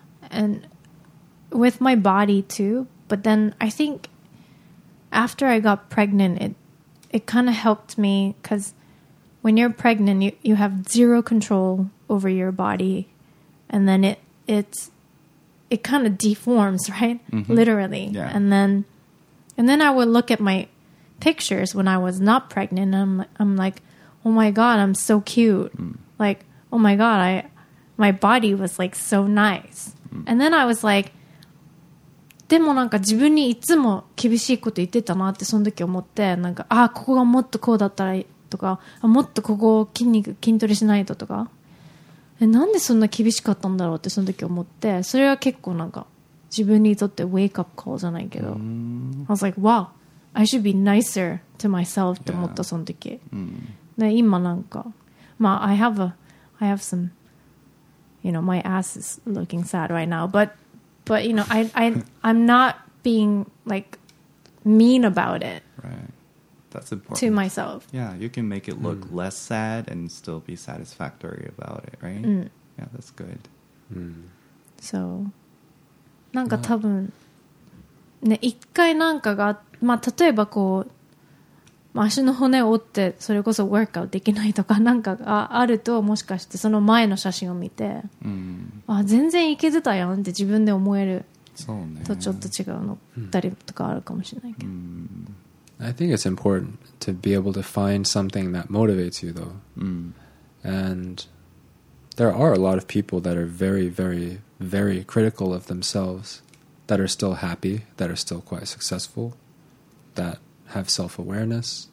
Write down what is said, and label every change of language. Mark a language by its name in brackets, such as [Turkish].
[English] And with my body too. But then I think after I got pregnant, it kind of helped me, because when you're pregnant, you have zero control over your body, and then it kind of deforms, right? Literally. Yeah. And then I would look at my pictures when I was not pregnant, and I'm like, oh my god, I'm so cute. Like, oh my god, my body was like so nice. And then I was like, [Japanese] でもなんか自分にいつも厳しいこと言ってたなってその時思って、なんか、ああ、ここがもっとこうだったらとか、もっとここを筋肉筋トレしないととか。え、なんでそんな厳しかったんだろうってその時思って、それは結構なんか自分にとってウェイクアップコールじゃないけど、 [English] I was like wow I should be nicer to myself [Japanese] って思った、その時、で今なんかまあ [English] I have some you know my ass is looking sad right now but you know I'm not being like mean about it right. That's important. To myself. Yeah, you can make it look less sad and still be satisfactory about it, right? Yeah, that's good. [Japanese] So, なんか多分、ね、一回なんかが、まあ例えばこう、まあ、足の骨を折ってそれこそワークアウトできないとかなんかがあると、もしかしてその前の写真を見て、あ、全然いけてたやんって自分で思えるとちょっと違うのだりとかあるかもしれないけど。 [English] I think it's important to be able to find something that motivates you, though. And there are a lot of people that are very, very, very critical of themselves, that are still happy, that are still quite successful, that have self-awareness.